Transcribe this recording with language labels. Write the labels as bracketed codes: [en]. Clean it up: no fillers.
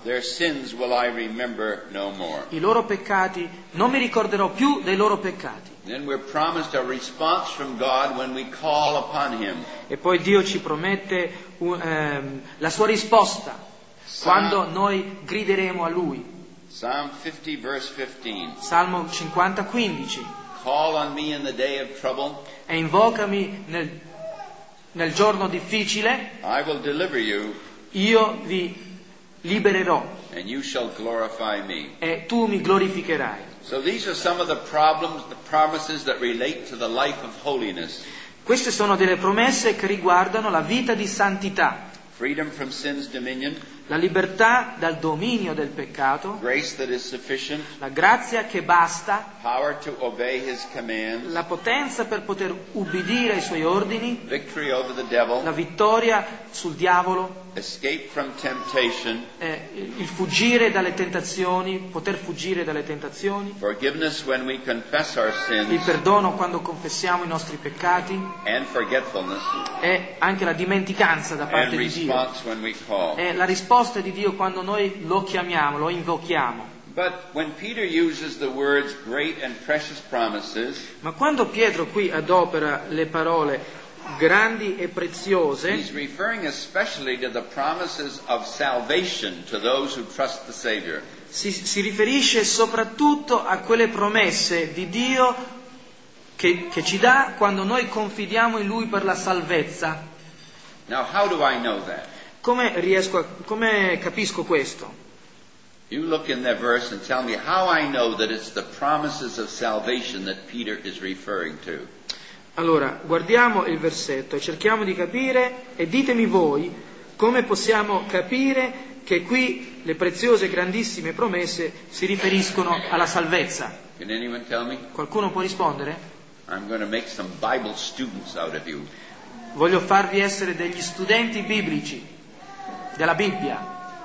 [en] Their sins will I remember no more. [it] I loro peccati non mi ricorderò più dei loro peccati. [en] Then we're promised a response from God when we call upon him. [it] E poi Dio ci promette la sua risposta quando noi grideremo a lui. [en] Psalm 50:15. [it] Salmo 50:15. [en] call on me in the day of trouble. [it] E invocami nel giorno difficile. [en] I will deliver you. [it] Io vi libererò. [en] And you shall glorify me. [it] E tu mi glorificherai. [en] So these are some of the problems, the promises that relate to the life of holiness. [it] Queste sono delle promesse che riguardano la vita di santità. [en] Freedom from sin's dominion. [it] La libertà dal dominio del peccato. [en] Grace that is sufficient. [it] La grazia che basta. [en] Power to obey his commands. [it] La potenza per poter ubbidire ai suoi ordini. [en] Victory over the devil. [it] La vittoria sul diavolo. [en] Escape from temptation. [it] Il fuggire dalle tentazioni, poter fuggire dalle tentazioni. [en] Forgiveness when we confess our sins. [it] Il perdono quando confessiamo i nostri peccati. [en] And forgetfulness. [it] E anche la dimenticanza da parte [en] and [it] di Dio. [en] Response when we call. [it] E la risposta di Dio quando noi lo chiamiamo, lo invochiamo. [en] But when Peter uses the words great and precious promises. [it] Ma quando Pietro qui adopera le parole grandi e preziose. [en] He's referring especially to the promises of salvation to those who trust the Savior. [it] Si riferisce soprattutto a quelle promesse di Dio che ci dà quando noi confidiamo in Lui per la salvezza. [en] Now how do I know that? [it] Come capisco questo? [en] You look in that verse and tell me how I know that it's the promises of salvation that Peter is referring to. [it] Allora, guardiamo il versetto e cerchiamo di capire, e ditemi voi come possiamo capire che qui le preziose e grandissime promesse si riferiscono alla salvezza. [en] Can anyone tell me? [it] Qualcuno può rispondere? [en] I'm going to make some Bible students out of you. [it] Voglio farvi essere degli studenti biblici della Bibbia.